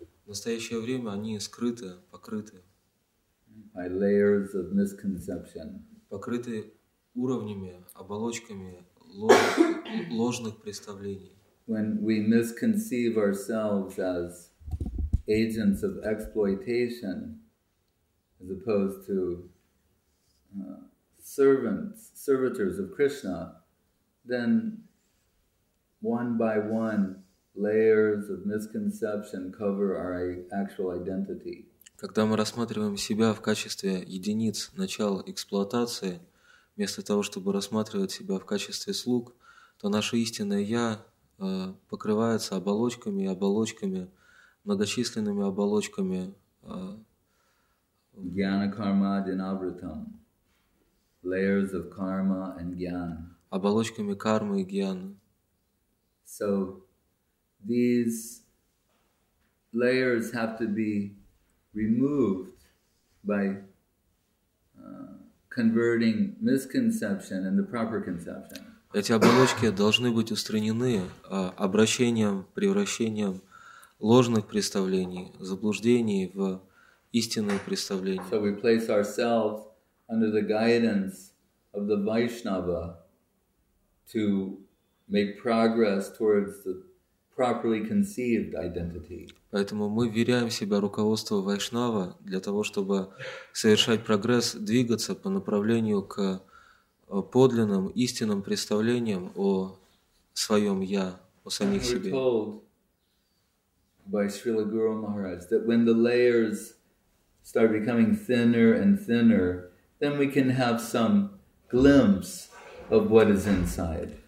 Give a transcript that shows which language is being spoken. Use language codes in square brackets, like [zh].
[ru] В настоящее время они скрыты, покрыты. [en] By layers of misconception. [ru] Покрыты уровнями, оболочками ложных представлений. [en] When we misconceive ourselves as agents of exploitation, as opposed to servitors of Krishna, then one by one, layers of misconception cover our actual identity. [ru] Когда мы рассматриваем себя в качестве единиц начала эксплуатации, вместо того, чтобы рассматривать себя в качестве слуг, то наше истинное «я» покрывается оболочками и оболочками, многочисленными оболочками. [sa] Jnana karma dinavritam. [en] Layers of karma and jnana. [ru] Оболочками кармы и гьяны. [en] So these layers have to be removed by converting misconception into proper conception. [ru] Эти оболочки должны быть устранены обращением, превращением ложных представлений, заблуждений в истинные представления. [en] So we place ourselves under the guidance of the Vaishnava to make progress towards the properly conceived identity. [ru] Поэтому мы вверяем себя руководству Вайшнава для того, чтобы совершать прогресс, двигаться по направлению к подлинным, истинным представлениям о своем «я», о самих себе. [en] We're told by Srila Guru Maharaj that when the layers start becoming thinner and thinner, then we can have some glimpse of what is inside.